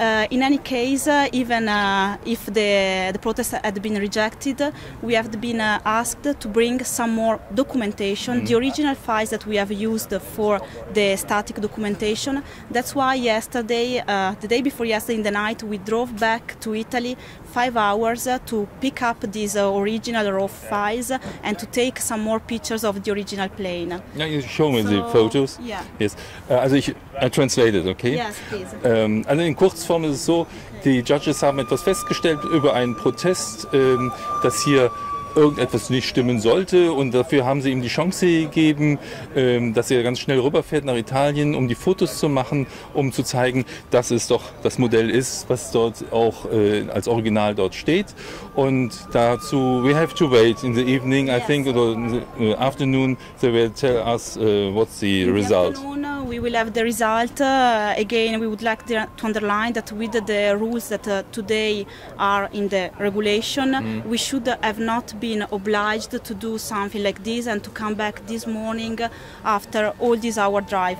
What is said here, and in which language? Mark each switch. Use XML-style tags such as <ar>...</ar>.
<en>In any case, even if the protest had been rejected, we have been asked to bring some more documentation, the original files that we have used for the static documentation. That's why yesterday, the day before yesterday in the night, we drove back to Italy 5 hours to pick up these original raw files and to take some more pictures of the original plane. Now you show me the photos. Yeah. Yes.</en> <de>Also ich</de> <en>translate it, okay? Yes, please.</en> <de>Also in Kurzform ist es so, die Judges haben etwas festgestellt über einen Protest, dass hier irgendetwas nicht stimmen sollte, und dafür haben sie ihm die Chance gegeben, dass er ganz schnell rüberfährt nach Italien, um die Fotos zu machen, um zu zeigen, dass es doch das Modell ist, was dort auch als Original dort steht. Und dazu,</de> <en>we have to wait in the evening, I think, or in the afternoon, they will tell us what's the result. We will have the result. Again, we would like to underline that with the rules that today are in the regulation, we should have not been obliged to do something like this and to come back this morning after all this hour drive.</en>